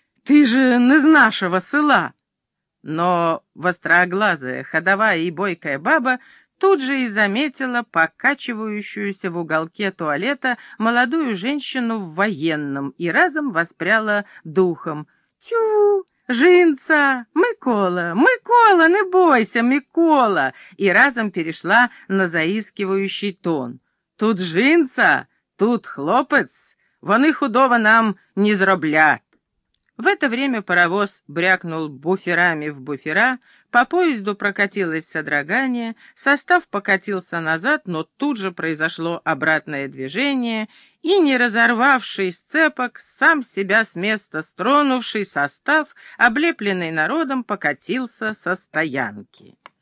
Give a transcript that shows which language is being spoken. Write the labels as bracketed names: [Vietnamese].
[Russian] «Ты же не из нашего села!» Но востроглазая, ходовая и бойкая баба тут же и заметила покачивающуюся в уголке туалета молодую женщину в военном и разом воспряла духом. [Ukrainian] «Тю, жинца, Микола, Микола, не бойся, Микола!» [Russian] И разом перешла на заискивающий тон. [Ukrainian] «Тут жинца, тут хлопец, вони худого нам не зроблят!» [Russian] В это время паровоз брякнул буферами в буфера, по поезду прокатилось содрогание, состав покатился назад, но тут же произошло обратное движение, и, не разорвавший сцепок, сам себя с места стронувший состав, облепленный народом, покатился со стоянки.